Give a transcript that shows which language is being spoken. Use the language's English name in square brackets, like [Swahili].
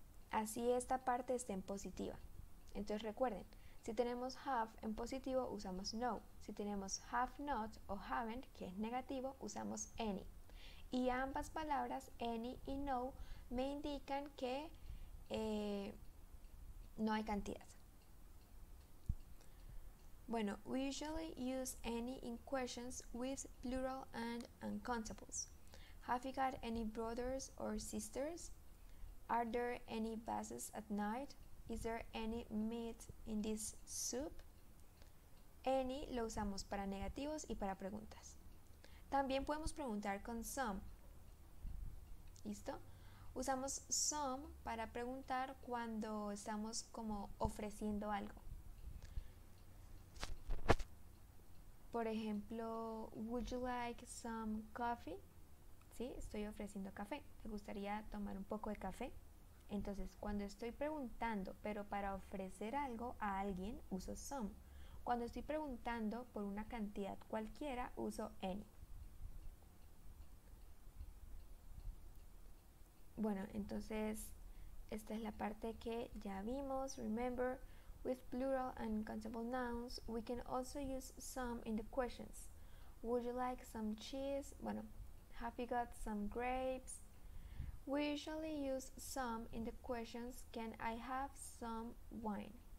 [Spanish] Así esta parte esté en positiva. Entonces recuerden, si tenemos have en positivo, usamos no. Si tenemos have not o haven't, que es negativo, usamos any. Y ambas palabras, any y no, me indican que no hay cantidad. Bueno, [English] we usually use any in questions with plural and uncountables. Have you got any brothers or sisters? Are there any buses at night? Is there any meat in this soup? [Spanish] Any lo usamos para negativos y para preguntas. También podemos preguntar con some. ¿Listo? Usamos some para preguntar cuando estamos como ofreciendo algo. Por ejemplo, [English] would you like some coffee? [Spanish] Sí, estoy ofreciendo café. ¿Te gustaría tomar un poco de café? Entonces, cuando estoy preguntando, pero para ofrecer algo a alguien, uso some. Cuando estoy preguntando por una cantidad cualquiera, uso any. Bueno, entonces, esta es la parte que ya vimos. [English] Remember, with plural and countable nouns, we can also use some in the questions. Would you like some cheese? [Spanish] Bueno, [English] have you got some grapes? We usually use some in the questions. Can I have some wine?